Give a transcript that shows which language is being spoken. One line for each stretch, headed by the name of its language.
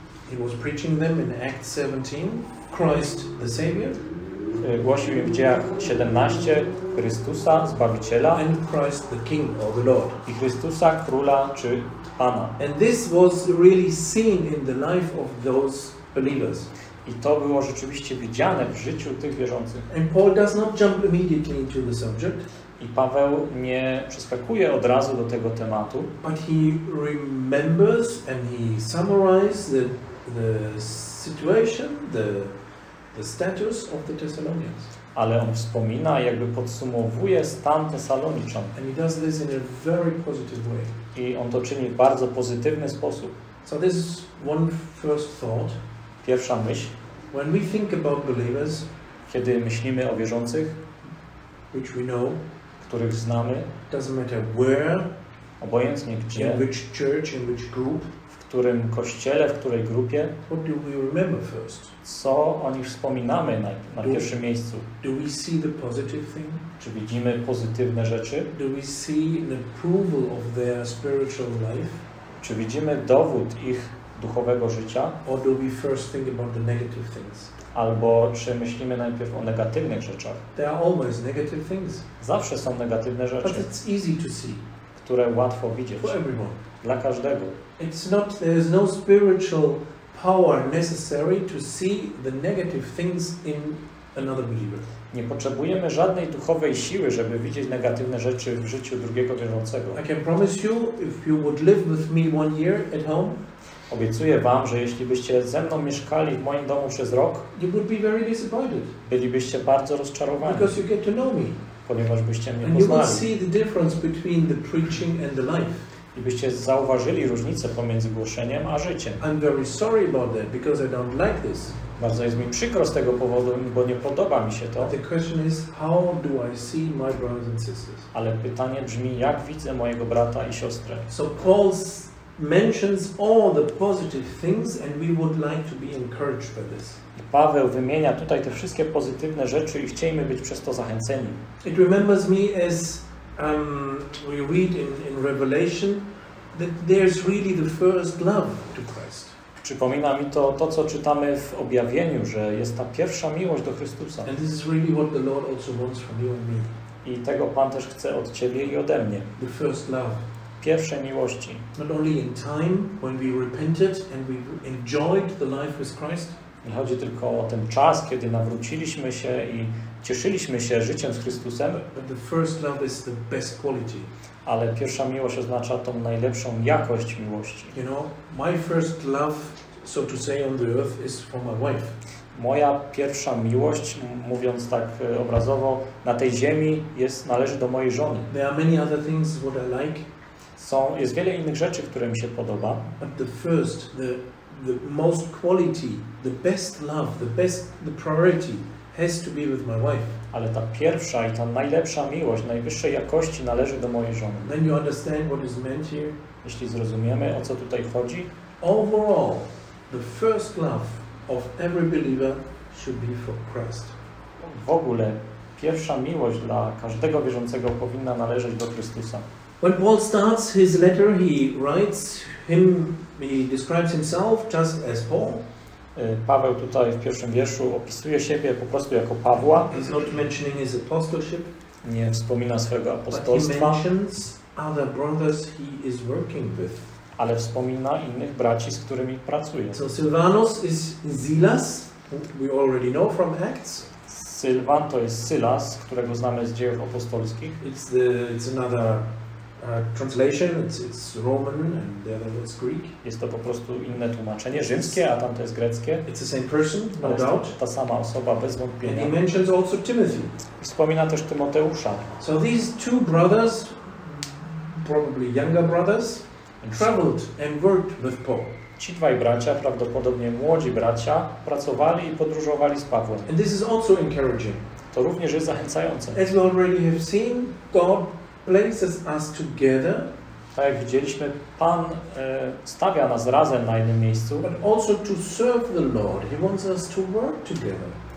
English: He was preaching them in Acts 17, Christ the Savior.
Polish: Głosił im w Dziejach 17 Chrystusa, Zbawiciela.
English: And Christ the King or the Lord.
Polish: I Chrystusa, Króla czy Pana.
English: And this was really seen in the life of those believers.
Polish: I to było rzeczywiście widziane w życiu tych wierzących.
English: And Paul does not jump immediately into the subject.
Polish: I Paweł nie przeskakuje od razu do tego tematu.
English: But he remembers and he summarizes the situation, the status of the Thessalonians.
Polish: Ale on wspomina, jakby podsumowuje stan Tesaloniczan.
English: And he does this in a very positive way.
Polish: I on to czyni w bardzo pozytywny sposób.
English: So this is one first thought.
Polish: Pierwsza myśl.
English: When we think about believers,
Polish: kiedy myślimy o wierzących,
English: which we know,
Polish: których znamy,
English: doesn't matter where,
Polish: obojętnie gdzie,
English: in which church, in which group,
Polish: w którym kościele, w której grupie,
English: what do we remember first?
Polish: Co o nich wspominamy na pierwszym miejscu?
English: Do we see the positive thing?
Polish: Czy widzimy pozytywne rzeczy?
English: Do we see an approval of their spiritual life?
Polish: Czy widzimy dowód ich duchowego życia?
English: Or do we first think about the negative things?
Polish: Albo czy myślimy najpierw o negatywnych rzeczach?
English: There are always negative things.
Polish: Zawsze są negatywne rzeczy.
English: But it's easy to see.
Polish: Które łatwo widzieć.
English: For everyone.
Polish: Dla każdego.
English: It's not, there is no spiritual power necessary to see the negative things in another believer.
Polish: Nie potrzebujemy żadnej duchowej siły, żeby widzieć negatywne rzeczy w życiu drugiego wierzącego.
English: I can promise you, if you would live with me one year at home,
Polish: obiecuję wam, że jeśli byście ze mną mieszkali w moim domu przez rok,
English: you would be very disappointed.
Polish: Bylibyście bardzo rozczarowani.
English: Because you get to know me.
Polish: Ponieważ byście mnie
English: and
Polish: poznali.
English: You would see the difference between the preaching and the life.
Polish: I byście zauważyli różnicę pomiędzy głoszeniem a życiem.
English: I'm very sorry about that, because I don't like this.
Polish: Bardzo jest mi przykro z tego powodu, bo nie podoba mi się to.
English: But the question is, how do I see my brothers and sisters?
Polish: Ale pytanie brzmi, jak widzę mojego brata i siostrę?
English: So Paul's mentions all the positive things and we would like to be encouraged by this.
Polish: Paweł wymienia tutaj te wszystkie pozytywne rzeczy i chcielibyśmy być przez to zachęceni.
English: It remembers me as we read in Revelation that there's really the first love to Christ.
Polish: Przypomina mi to co czytamy w objawieniu, że jest ta pierwsza miłość do Chrystusa.
English: And this is really what the Lord also wants from you and me.
Polish: I tego Pan też chce od ciebie i ode mnie.
English: The first love.
Polish: Pierwsze miłości.
English: Not only in time when we repented and we enjoyed the life with Christ.
Polish: Nie chodzi tylko o ten czas, kiedy nawróciliśmy się i cieszyliśmy się życiem z Chrystusem.
English: But the first love is the best quality.
Polish: Ale pierwsza miłość oznacza tą najlepszą jakość miłości.
English: You know, my first love, so to say, on the earth is for my wife.
Polish: Moja pierwsza miłość, mówiąc tak obrazowo, na tej ziemi jest należy do mojej żony.
English: There are many other things what I like.
Polish: Jest wiele innych rzeczy, które mi się podoba.
English: But the first, the most quality, the best love, the best, the priority has to be with my wife.
Polish: Ale ta pierwsza i ta najlepsza miłość, najwyższej jakości należy do mojej żony.
English: Then you understand what is meant here.
Polish: Jeśli zrozumiemy, o co tutaj chodzi.
English: Overall, the first love of every believer should be for Christ.
Polish: W ogóle pierwsza miłość dla każdego wierzącego powinna należeć do Chrystusa.
English: When Paul starts his letter, he writes him, he describes himself just as Paul.
Polish: Paweł tutaj w pierwszym wierszu opisuje siebie po prostu jako Pawła.
English: He's not mentioning his apostleship.
Polish: Nie wspomina swojego apostolstwa.
English: But he mentions other brothers he is working with.
Polish: Ale wspomina innych braci, z którymi pracuje.
English: So Silvanus is Silas, we already know from Acts.
Polish: Sylwan to jest Sylas, którego znamy z dziejów apostolskich.
English: It's another translation, it's Roman and the other one is Greek.
Polish: Jest to po prostu inne tłumaczenie, rzymskie, a tamto jest greckie.
English: It's the same person, no doubt.
Polish: Ta sama osoba, bez wątpienia.
English: And he mentions also Timothy.
Polish: Wspomina też Tymoteusza.
English: So these two brothers, probably younger brothers, traveled and worked with Paul.
Polish: Ci dwaj bracia, prawdopodobnie młodzi bracia, pracowali i podróżowali z Pawłem.
English: And this is also encouraging.
Polish: To również jest zachęcające.
English: As we already have seen, God places us together.
Polish: Tak jak widzieliśmy, Pan stawia nas razem na jednym miejscu.
English: But also to serve the Lord, He wants us to work together.